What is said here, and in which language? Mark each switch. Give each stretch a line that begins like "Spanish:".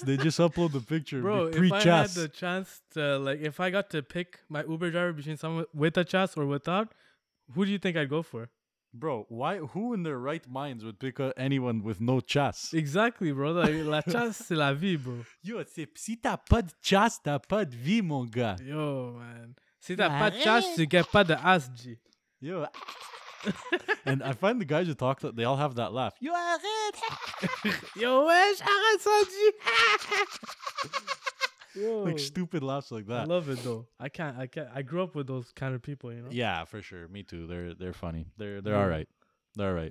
English: They just upload the picture. Bro, pre-chas. If I had the chance to, like, if I got to pick my Uber driver between someone with a chas or without, who do you think I'd go for? Bro, why? Who in their right minds would pick anyone with no chas? Exactly, bro. Like,
French: la chas, c'est la vie,
English: bro.
French: Yo, si t'as pas de chas, t'as pas de vie, mon gars.
English: Yo, man.
French: Si t'as pas de chas, tu get pas de as, G.
English: Yo. And I find the guys who talk to, they all have that laugh.
French: Yo, arrête! Yo, wesh, arrête, Sanji!
English: Yo. Like stupid laughs like that. I love it though. I can't. I grew up with those kind of people, you know. Yeah, for sure. Me too. They're funny. They're all right. They're all right.